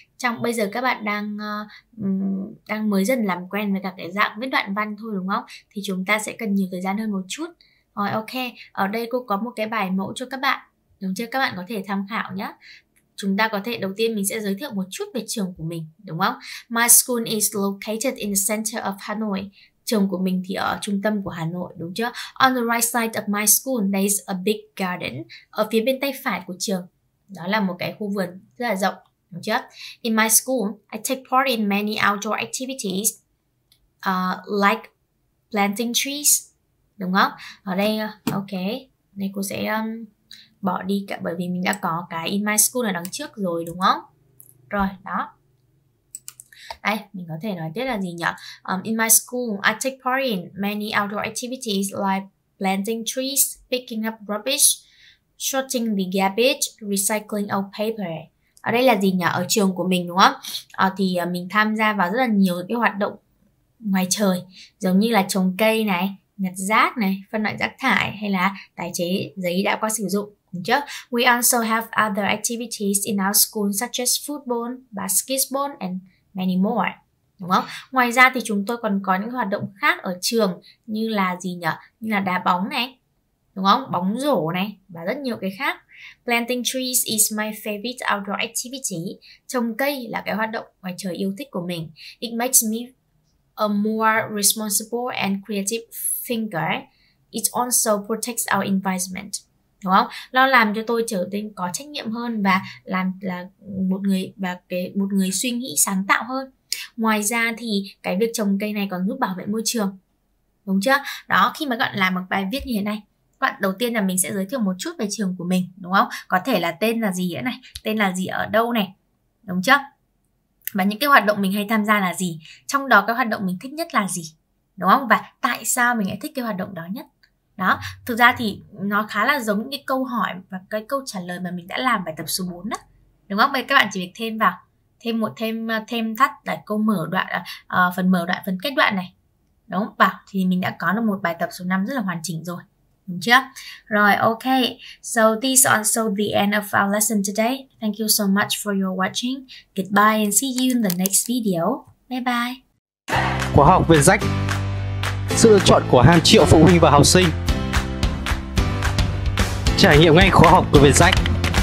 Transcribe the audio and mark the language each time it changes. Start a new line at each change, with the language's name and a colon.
Vietnamese: Trong bây giờ các bạn đang mới dần làm quen với cả cái dạng viết đoạn văn thôi đúng không? Thì chúng ta sẽ cần nhiều thời gian hơn một chút. Rồi, ok, ở đây cô có một cái bài mẫu cho các bạn, đúng chưa? Các bạn có thể tham khảo nhé. Chúng ta có thể, đầu tiên mình sẽ giới thiệu một chút về trường của mình, đúng không?
English: My school is located in the center of Hanoi.
Vietnamese: Trường của mình thì ở trung tâm của Hà Nội, đúng chưa?
English: On the right side of my school, there is a big garden.
Vietnamese: Ở phía bên tay phải của trường, đó là một cái khu vườn rất là rộng, đúng chưa?
English: In my school, I take part in many outdoor activities, like planting trees,
Vietnamese: đúng không? Ở đây, ok, đây cô sẽ bỏ đi cả, bởi vì mình đã có cái
English: in my school
Vietnamese: ở đằng trước rồi đúng không? Rồi, đó. Đây, mình có thể nói tiếp là gì nhỉ?
English: In my school, I take part in many outdoor activities like planting trees, picking up rubbish, sorting the garbage, recycling old paper.
Vietnamese: Ở đây là gì nhỉ? Ở trường của mình đúng không? Thì mình tham gia vào rất là nhiều cái hoạt động ngoài trời, giống như là trồng cây này, nhặt rác này, phân loại rác thải hay là tái chế giấy đã qua sử dụng.
English: We also have other activities in our school such as football, basketball and many more.
Vietnamese: Đúng không? Ngoài ra thì chúng tôi còn có những hoạt động khác ở trường như là gì nhỉ? Như là đá bóng này, đúng không? Bóng rổ này và rất nhiều cái khác.
English: Planting trees is my favorite outdoor activity.
Vietnamese: Trồng cây là cái hoạt động ngoài trời yêu thích của mình.
English: It makes me a more responsible and creative thinker. It also protects our environment.
Vietnamese: Đúng không? Nó làm cho tôi trở nên có trách nhiệm hơn và làm là một người và cái một người suy nghĩ sáng tạo hơn. Ngoài ra thì cái việc trồng cây này còn giúp bảo vệ môi trường. Đúng chưa? Đó, khi mà các bạn làm một bài viết như thế này, bạn đầu tiên là mình sẽ giới thiệu một chút về trường của mình, đúng không? Có thể là tên là gì này, tên là gì ở đâu này, đúng chưa? Và những cái hoạt động mình hay tham gia là gì, trong đó cái hoạt động mình thích nhất là gì, đúng không? Và tại sao mình lại thích cái hoạt động đó nhất? Đó, thực ra thì nó khá là giống những cái câu hỏi và cái câu trả lời mà mình đã làm bài tập số 4 đó, đúng không? Vậy các bạn chỉ việc thêm vào, thêm thắt là câu mở đoạn, phần mở đoạn, phần kết đoạn này, đúng không? Và thì mình đã có được một bài tập số 5 rất là hoàn chỉnh rồi. Đúng chưa? Rồi, ok.
English: So this is also the end of our lesson today. Thank you so much for your watching. Goodbye and see you in the next video. Bye bye.
Vietnamese: Khóa học viên rách. Sự lựa chọn của hàng triệu phụ huynh và học sinh. Trải nghiệm ngay khóa học của viên rách.